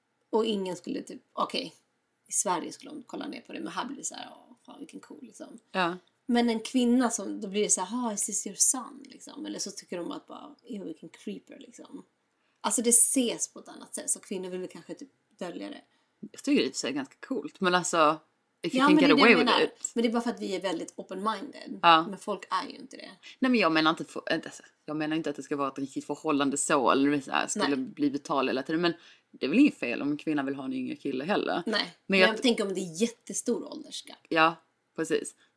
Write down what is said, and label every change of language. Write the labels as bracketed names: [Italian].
[Swedish] Och ingen skulle typ, okej, i Sverige skulle de kolla ner på det, men här blir det så här, åh, fan vilken cool liksom. Ja. Men en kvinna som, då blir det så här, [English] is this your son [Swedish] liksom, eller så tycker de att bara, jo vilken creeper liksom. Alltså det ses på ett annat sätt. Så kvinnor vill kanske typ dölja det. Jag tycker det är ganska coolt. Men alltså, [English] if you can get away with it. [Swedish] Men det är bara för att vi är väldigt open-minded. Ja. Men folk är ju inte det. Nej, men jag menar inte att det ska vara ett riktigt förhållande så. Eller så här, skulle Nej. Bli betal eller till det. Men det är väl inget fel om en kvinna vill ha en yngre kille heller. Nej, men jag tänker om det är jättestor åldersgap. Ja, precis.